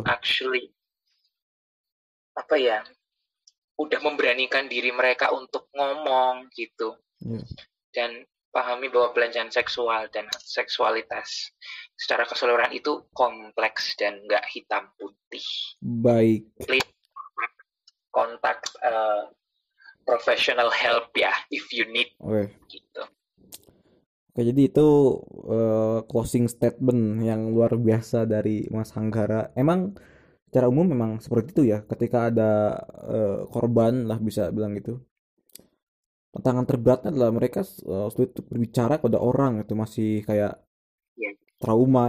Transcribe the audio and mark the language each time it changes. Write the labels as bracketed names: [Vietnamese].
[Indonesian] Untuk actually apa ya, udah memberanikan diri mereka untuk ngomong gitu. Dan pahami bahwa pelecehan seksual dan seksualitas secara keseluruhan itu kompleks dan nggak hitam putih. Baik. [English] Please contact professional help ya if you need. Okay. [Indonesian] Gitu. Oke, jadi itu closing statement yang luar biasa dari Mas Hanggara. Emang secara umum memang seperti itu ya, ketika ada korban lah bisa bilang gitu. tantangan terberatnya adalah mereka sulit untuk berbicara pada orang, itu masih kayak trauma.